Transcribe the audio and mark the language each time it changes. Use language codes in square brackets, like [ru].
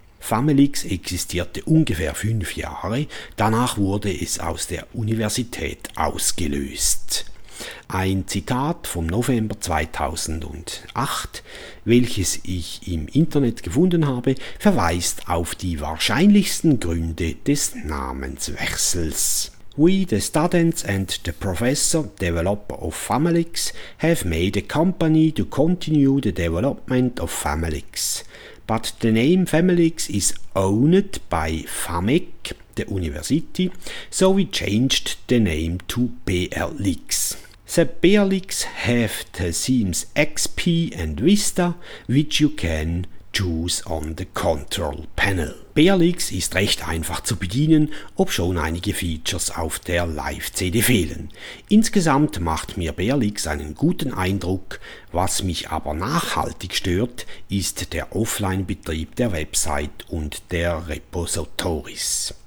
[de] Familix existierte ungefähr 5 Jahre, danach wurde es aus der Universität ausgelöst. Ein Zitat vom November 2008, welches ich im Internet gefunden habe, verweist auf die wahrscheinlichsten Gründe des Namenswechsels. [en] We, the students and the professor, developer of Famalix, have made a company to continue the development of Famalix. But the name Famalix is owned by FAMIC, the university, so we changed the name to BRLix. The BRLix have the themes XP and Vista, which you can choose on the control panel. [de] BRLix ist recht einfach zu bedienen, ob schon einige Features auf der Live-CD fehlen. Insgesamt macht mir BRLix einen guten Eindruck, was mich aber nachhaltig stört, ist der Offline-Betrieb der Website und der Repositories.